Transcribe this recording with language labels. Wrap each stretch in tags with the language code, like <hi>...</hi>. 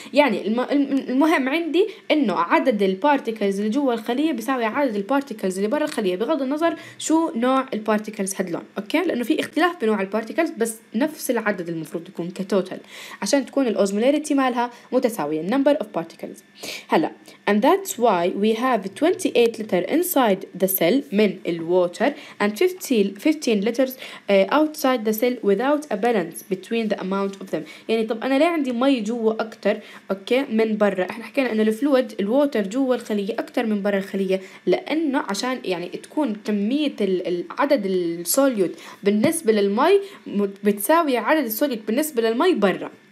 <ar>يعني المهم عندي انه عدد البارتيكلز اللي جوا الخليه بيساوي عدد البارتيكلز اللي برا الخليه، بغض النظر شو نوع البارتيكلز هدلون. اوكي، لانه في اختلاف بنوع البارتيكلز بس نفس العدد المفروض يكون كتوتال عشان تكون الاوزمولاريتي مالها متساويه،</ar> <en>number of particles. هلا and that's why we have 28 liter inside the cell من الwater and 15 liters outside the cell without a balance between the amount of them.</en> <ar>يعني طب أنا ليه عندي مي جوا أكتر أوكي من برا؟ إحنا حكينا إنه الفلويد الwater جوا الخلية أكتر من برا الخلية، لأنه عشان يعني تكون كمية العدد السوليوت بالنسبة للمي بتساوي عدد السوليوت بالنسبة للمي برا.</ar>